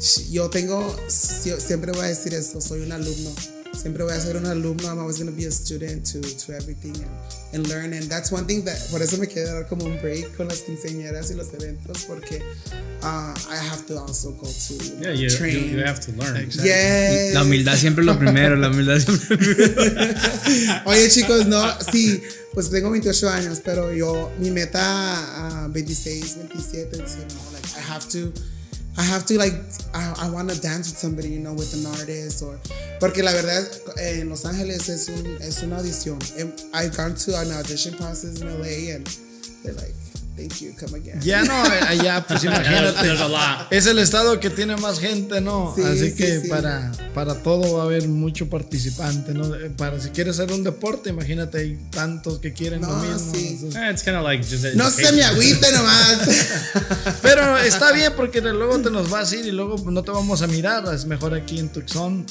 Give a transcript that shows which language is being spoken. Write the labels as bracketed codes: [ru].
[es] Yo tengo, siempre voy a decir esto, soy un alumno. Siempre voy a ser un alumno. [en] I'm always going to be a student to everything and learn. And that's one thing that, [es] por eso me quiero dar como un break con las quinceañeras y los eventos, porque [en] I have to also go to train. You have to learn. Exactly. Yes. [es] La humildad siempre es lo primero. La humildad siempre primero. Oye, chicos, no, sí, pues tengo 28 años, pero yo, mi meta 26, 27, [en] you know, like I have to like, I want to dance with somebody, you know, with an artist or... [es] Porque la verdad, en Los Ángeles es una audición. [en] I've gone to an audition process in LA and they're like, thank you, come again. [es] Ya no, allá, pues imagínate. [en] There's a lot. [es] Es el estado que tiene más gente, ¿no? Sí, así sí, que sí. Para todo va a haber mucho participante, ¿no? Para si quieres hacer un deporte, imagínate, hay tantos que quieren lo mismo. Sí. [en] It's kind of like just [es] no se me agüite nomás. Pero está bien porque luego te nos vas a ir y luego no te vamos a mirar, es mejor aquí en Tucson.